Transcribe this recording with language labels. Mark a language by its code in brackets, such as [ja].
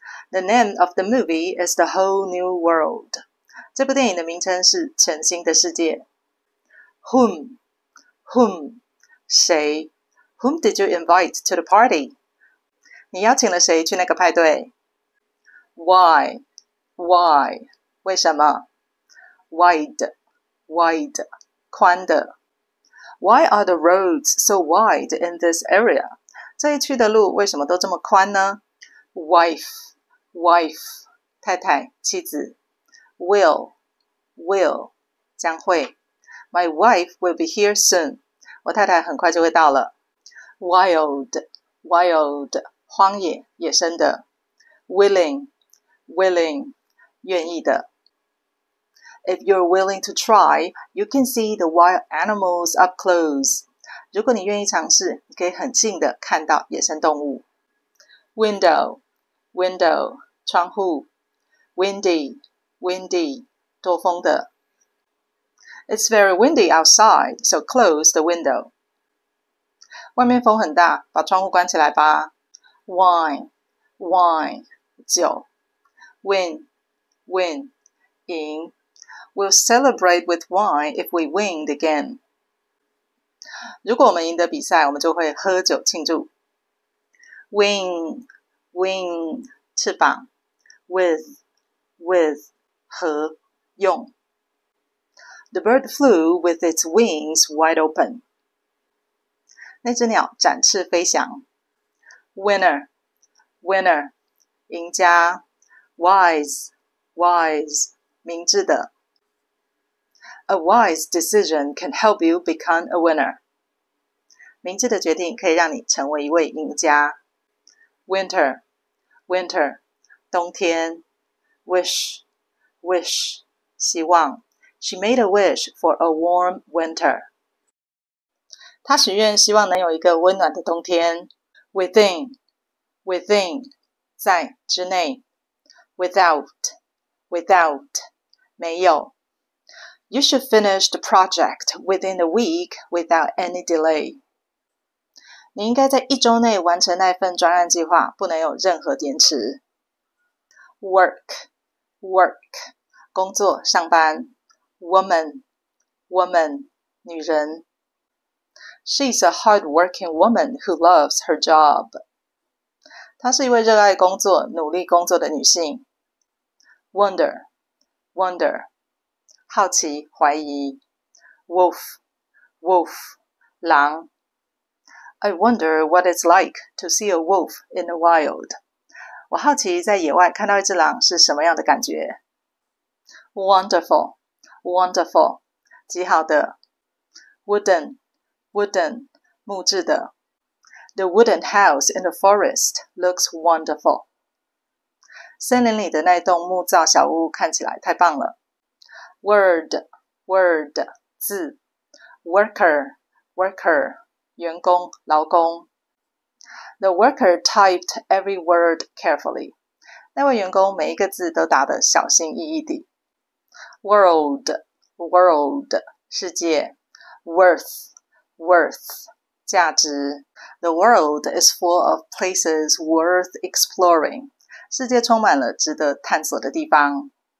[en] The name of the movie is The Whole New World. [zh] 这部电影的名称是全新的世界。 [en] Whom, whom, [zh] 谁。 [en] Whom did you invite to the party? [zh] 你邀请了谁去那个派对？ [en] Why? Why? [zh] 为什么？ [en] Wide, wide, [zh] 宽的。 [en] Why are the roads so wide in this area? [zh] 这一区的路为什么都这么宽呢？ [en] Wife, wife, [zh] 太太，妻子。 [en] Will, will, [zh] 将会。 [en] My wife will be here soon. [zh] 我太太很快就会到了。 [en] Wild, wild, [zh] 荒野，野生的。 [en] Willing, willing, [zh] 愿意的。 [en] If you're willing to try, you can see the wild animals up close. [zh] 如果你愿意尝试，你可以很近的看到野生动物。 [en] Window, window, [zh] 窗户。 [en] Windy, windy, [zh] 多风的。 [en] It's very windy outside, so close the window. [zh] 外面风很大，把窗户关起来吧。 [en] Wine, wine, [zh] 酒。 [en] Win, win, [zh] 赢。 [en] We'll celebrate with wine if we win the game. [zh] 如果我们赢得比赛，我们就会喝酒庆祝。 [en] Wing, wing, [zh] 翅膀。 [en] With, with, [zh] 和用。 [en] The bird flew with its wings wide open. [zh] 那只鸟展翅飞翔。 [en] Winner, winner, [zh] 赢家。 [en] Wise, wise, [zh] 明智的。 [en] A wise decision can help you become a winner. [zh] 明智的决定可以让你成为一位赢家。 [en] Winter, winter, [zh] 冬天。 [en] Wish, wish, [zh] 希望。 [en] She made a wish for a warm winter. [zh] 她许愿希望能有一个温暖的冬天。 [en] Within, within, [zh] 在之内。 [en] Without, without, [zh] 没有。 [en] You should finish the project within a week without any delay. [zh] 你应该在一周内完成那份专案计划，不能有任何延迟。 [en] Work, work, [zh] 工作，上班。 [en] Woman, woman, [zh] 女人。 [en] She's a hard-working woman who loves her job. [zh] 她是一位热爱工作、努力工作的女性。 [en] Wonder, wonder. [zh] 好奇，怀疑。 [en] Wolf, wolf, [zh] 狼。 [en] I wonder what it's like to see a wolf in the wild. [zh] 我好奇在野外看到一只狼是什么样的感觉。 [en] Wonderful, wonderful, [zh] 极好的。 [en] Wooden, wooden, [zh] 木质的。 [en] The wooden house in the forest looks wonderful. [zh] 森林里的那栋木造小屋看起来太棒了。 [en] Word, word, [zh] 字。 [en] Worker, worker, [zh] 员工、劳工。 [en] The worker typed every word carefully. [zh] 那位员工每一个字都打得小心翼翼地。 [en] World, world, [zh] 世界。 [en] Worth, worth, [zh] 价值。 [en] The world is full of places worth exploring. [zh] 世界充满了值得探索的地方。